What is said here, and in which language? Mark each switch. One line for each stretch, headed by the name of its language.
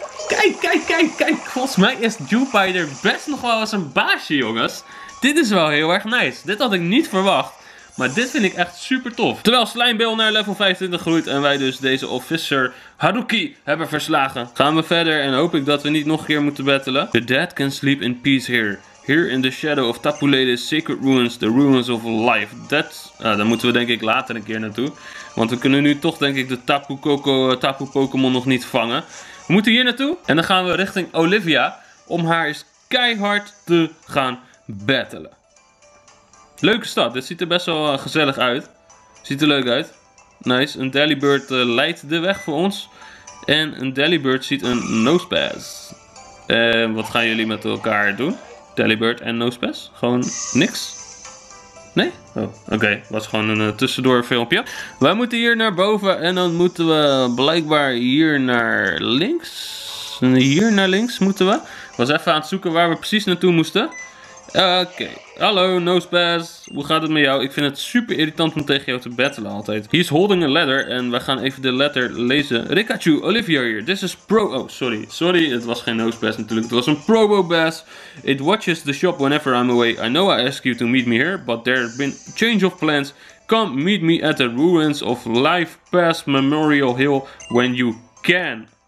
Dutch: Kijk. Volgens mij is Dewpider best nog wel eens een baasje, jongens. Dit is wel heel erg nice. Dit had ik niet verwacht. Maar dit vind ik echt super tof. Terwijl Slijmbil naar level 25 groeit en wij dus deze Officer Haruki hebben verslagen. Gaan we verder en hoop ik dat we niet nog een keer moeten battelen.
English: The dead can sleep in peace here. Here in the shadow of Tapu Lele's sacred ruins, the ruins of life.
Dutch: Daar moeten we denk ik later een keer naartoe. Want we kunnen nu toch denk ik de Tapu Koko, Tapu Pokémon nog niet vangen. We moeten hier naartoe en dan gaan we richting Olivia om haar eens keihard te gaan battelen. Leuke stad, dit ziet er best wel gezellig uit. Ziet er leuk uit. Nice, een Delibird leidt de weg voor ons. En een Delibird ziet een Nosepass. Wat gaan jullie met elkaar doen? Delibird en Nosepass? Gewoon niks? Nee? Oké. Was gewoon een tussendoor filmpje. Wij moeten hier naar boven en dan moeten we blijkbaar hier naar links. Hier naar links moeten we. Ik was even aan het zoeken waar we precies naartoe moesten. Oké. Hallo Nosepass. Hoe gaat het met jou? Ik vind het super irritant om tegen jou te battelen altijd.
English: He's holding a letter
Dutch: en we gaan even de letter lezen.
English: Rickachu,
Dutch: Olivia hier.
English: This is pro... Oh, sorry.
Dutch: Sorry, het was geen Nosepass natuurlijk. Het was een Probobass.
English: It watches the shop whenever I'm away. I know I ask you to meet me here, but there have been change of plans. Come meet me at the ruins of Life Pass Memorial Hill when you can.